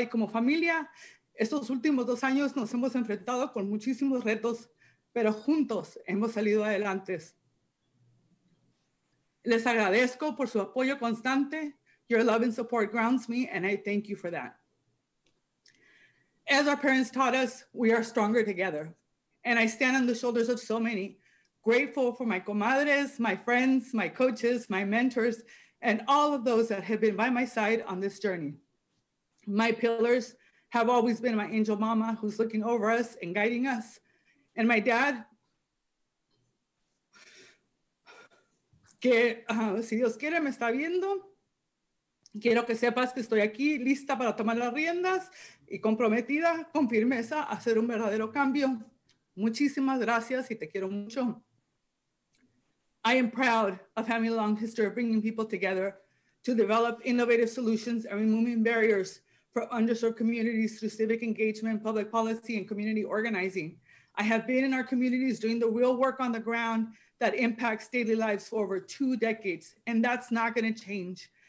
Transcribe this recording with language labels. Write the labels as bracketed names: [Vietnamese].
[Spanish] Y como familia, estos últimos dos años nos hemos enfrentado con muchísimos retos, pero juntos hemos salido adelante. Les agradezco por su apoyo constante. [English] Your love and support grounds me, and I thank you for that. As our parents taught us, we are stronger together. And I stand on the shoulders of so many. Grateful for my comadres, my friends, my coaches, my mentors, and all of those that have been by my side on this journey. My pillars have always been my angel mama who's looking over us and guiding us. And my dad, [Spanish] si Dios quiere, me está viendo. Quiero que sepas que estoy aquí lista para tomar las riendas y comprometida con firmeza a hacer un verdadero cambio. Muchísimas gracias y te quiero mucho. [English] I am proud of having a long history of bringing people together to develop innovative solutions and removing barriers for underserved communities through civic engagement, public policy, and community organizing. I have been in our communities doing the real work on the ground that impacts daily lives for over two decades, and that's not going to change.